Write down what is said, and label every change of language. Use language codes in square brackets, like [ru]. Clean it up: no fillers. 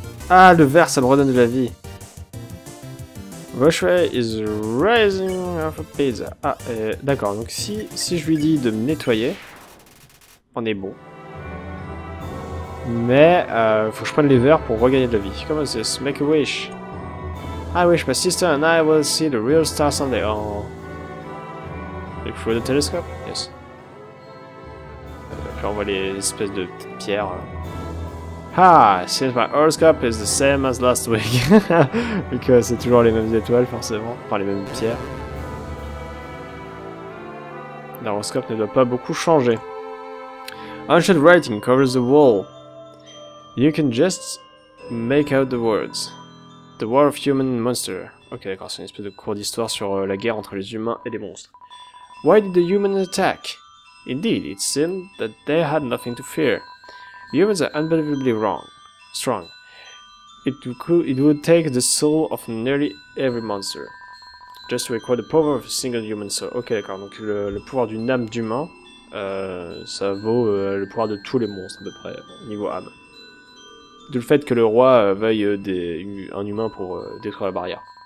[fr] Ah, le vert, ça me redonne de la vie. [en] Vashway is rising off a pizza. [fr] Ah, d'accord. Donc si je lui dis de me nettoyer, on est bon. Mais faut que je prenne les verres pour regagner de la vie. Comment c'est ça? [en] Make a wish. I wish my sister and I will see the real stars someday. Oh. Look through the telescope? Yes. [fr] Puis on voit les espèces de petites pierres. [en] Ah, since my horoscope is the same as last week. [fr] Vu que c'est toujours les mêmes étoiles, forcément. Enfin, les mêmes pierres. L'horoscope ne doit pas beaucoup changer. [en] Ancient writing covers the wall. You can just make out the words. The War of Human and Monster. [fr] Ok, d'accord, c'est une espèce de cours d'histoire sur la guerre entre les humains et les monstres. [en] Why did the human attack? Indeed, it seemed that they had nothing to fear. Humans are unbelievably wrong, strong. It would take the soul of nearly every monster. Just to record the power of a single human soul. [fr] Ok, d'accord, donc le pouvoir d'une âme d'humain, ça vaut le pouvoir de tous les monstres, à peu près, niveau âme. D'où le fait que le roi veuille un humain pour détruire la barrière.